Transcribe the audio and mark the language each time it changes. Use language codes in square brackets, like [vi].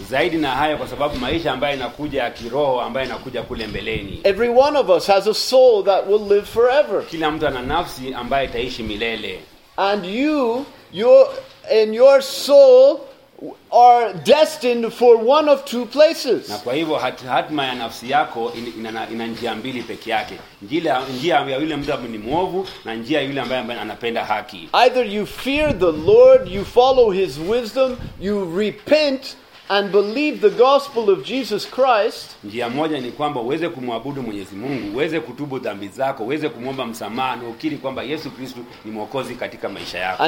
[sw] Zaidi na haya kwa sababu maisha ambayo inakuja ya kiroho, ambayo inakuja kule mbeleni. [en] Every one of us has a soul that will live forever. [sw] Kila mtu ana nafsi ambayo itaishi milele. [en] And your soul are destined for one of two places. [sw] Na kwa hivyo hatima ya nafsi yako ina njia mbili peke yake. Njia ya yule mtu ni mwovu na njia yule ambaye anapenda haki. [en] Either you fear the Lord, you follow his wisdom, you repent and believe the gospel of Jesus Christ. [sw] Njia moja ni kwamba uweze kumwabudu Mwenyezi Mungu, uweze kutubu dhambi zako, uweze kumwomba msamaha na ukiri kwamba Yesu Kristo ni mwokozi katika maisha yako.